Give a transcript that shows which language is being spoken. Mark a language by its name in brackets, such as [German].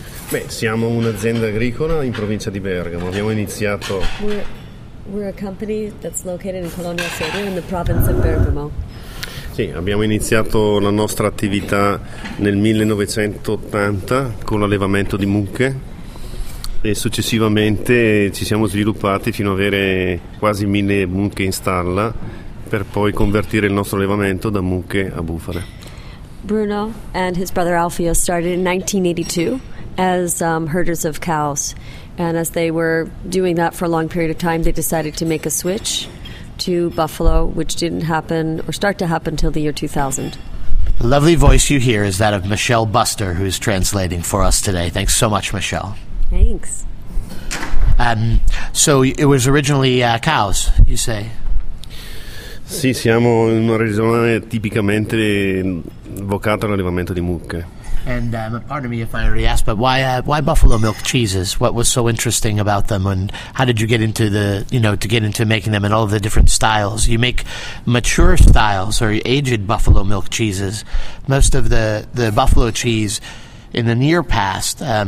[Italian] Beh, siamo un'azienda agricola in provincia di Bergamo. Abbiamo iniziato [English] We're a company that's located in Colonia Sede in the province of Bergamo. [Italian] Sì, abbiamo iniziato la nostra attività nel 1980 con l'allevamento di mucche e successivamente ci siamo sviluppati fino ad avere quasi 1000 mucche in stalla per poi convertire il nostro allevamento da mucche a bufale. [English] Bruno and his brother Alfio started in 1982 as herders of cows, and as they were doing that for a long period of time, they decided to make a switch to buffalo, which didn't happen or start to happen until the year 2000. The lovely voice you hear is that of Michelle Buster, who's translating for us today. Thanks so much, Michelle. Thanks. So it was originally cows, you say? [Italian] Sì, siamo in una regione tipicamente vocata all'allevamento di mucche. [English] And pardon me if I already asked, but why buffalo milk cheeses? What was so interesting about them, and how did you get into making them in all of the different styles? You make mature styles or aged buffalo milk cheeses. Most of the buffalo cheese in the near past.